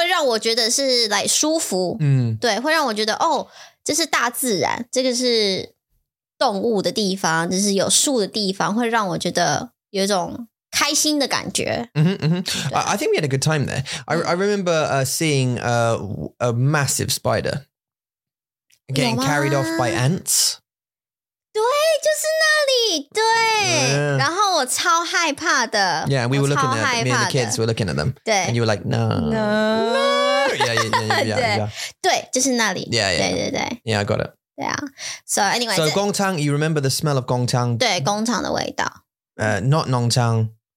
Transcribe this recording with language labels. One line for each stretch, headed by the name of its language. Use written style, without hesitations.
Chinese: 但是我觉得我很喜欢农场的那种味道,大便的味道,我会觉得,哦,这是一种很,会让我觉得是来舒服, 对,会让我觉得,哦,这是大自然,这个是, 动物的地方, 就是有树的地方, 会让我觉得有一种开心的感觉。
English: Mm-hmm, mm-hmm. I think we had a good time there. I remember seeing a massive spider getting carried off by ants.
Chinese: 对,就是那里,对,然后我超害怕的。
English: Yeah, and we were looking at them, me and the kids were looking at them.
Chinese: 对。
English: And you were like, no. No. No. Yeah, yeah, yeah, yeah. Yeah.
Chinese: 对,就是那里。
English: Yeah, yeah.
Chinese: 对,对,对。
English: Yeah, I got it. Yeah. So anyway. So gong tang, you remember the smell of gong tang?
Chinese: 对, gong tang 的味道.
English: Not nong tang.